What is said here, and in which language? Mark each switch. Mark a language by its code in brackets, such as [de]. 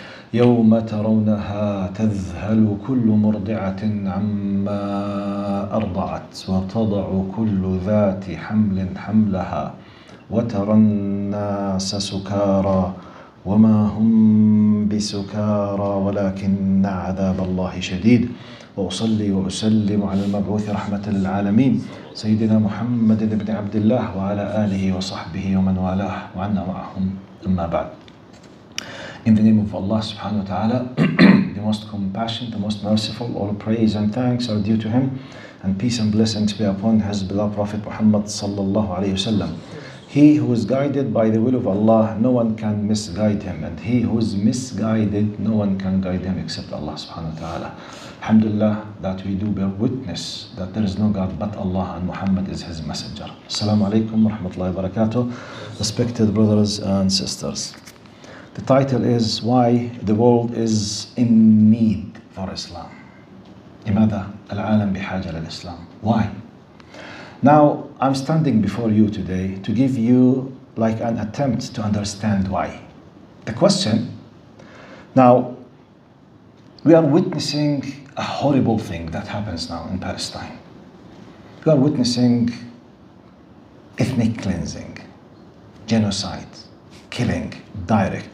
[ar] يوم ترونها تذهل كل مرضعة عما أرضعت، وتضع كل ذات حمل حملها، وترى الناس سكارى وما هم بسكارى ولكن عذاب الله شديد. وأصلي وأسلم على المبعوث رحمة للعالمين سيدنا محمد بن عبد الله وعلى آله وصحبه ومن والاه وعنا معهم، أما بعد. [en] In the name of Allah subhanahu wa ta'ala, the most compassionate, the most merciful, all praise and thanks are due to him, and peace and blessings be upon his beloved Prophet Muhammad sallallahu alayhi wa sallam. He who is guided by the will of Allah, no one can misguide him. And he who is misguided, no one can guide him except Allah subhanahu wa ta'ala. Alhamdulillah that we do bear witness that there is no God but Allah and Muhammad is his messenger. Assalamu alaikum wa rahmatullahi wa barakatuh, respected brothers and sisters. The title is Why the World is in Need for Islam. [ar] لماذا العالم بحاجة للإسلام؟ [en] Why? Now, I'm standing before you today to give you like an attempt to understand why. The question, now, we are witnessing a horrible thing that happens now in Palestine. We are witnessing ethnic cleansing, genocide, killing, direct.